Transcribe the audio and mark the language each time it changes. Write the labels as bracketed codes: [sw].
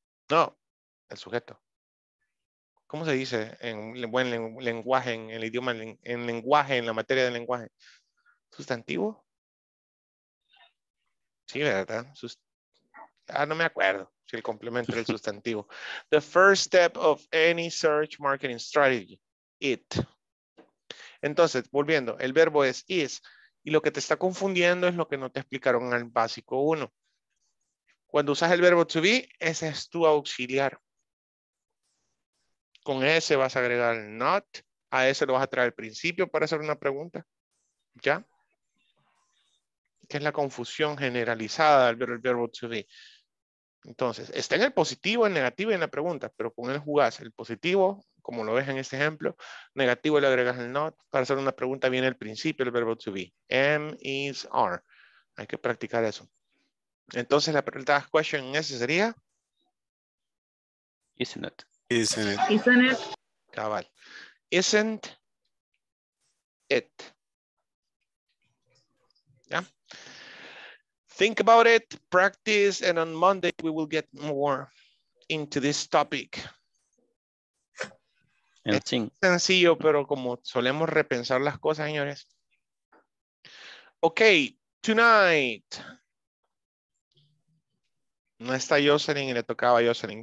[es] No, el sujeto. ¿Cómo se dice en buen lenguaje, en el idioma, en lenguaje, en la materia del lenguaje? Sustantivo. Sí, ¿verdad? No me acuerdo si el complemento era el sustantivo. [en] The first step of any search marketing strategy, it. [es] Entonces, volviendo, el verbo es is. Y lo que te está confundiendo es lo que no te explicaron en el básico 1. Cuando usas el verbo to be, ese es tu auxiliar. Con ese vas a agregar not. A ese lo vas a traer al principio para hacer una pregunta. ¿Ya? Que es la confusión generalizada al ver el verbo to be. Entonces, está en el positivo, en negativo y en la pregunta, pero con él jugás el positivo, como lo ves en este ejemplo, negativo le agregas el not, para hacer una pregunta viene el principio del verbo to be. Am, is, are. Hay que practicar eso. Entonces, la pregunta question en ese sería. [en] Isn't it? Isn't it? Isn't it? Cabal. Isn't it? Yeah. Think about it, practice, and on Monday we will get more into this topic. [es] Es sencillo, pero como solemos repensar las cosas, señores. [en] Okay, tonight. [es] No está Jocelyn y le tocaba a Jocelyn.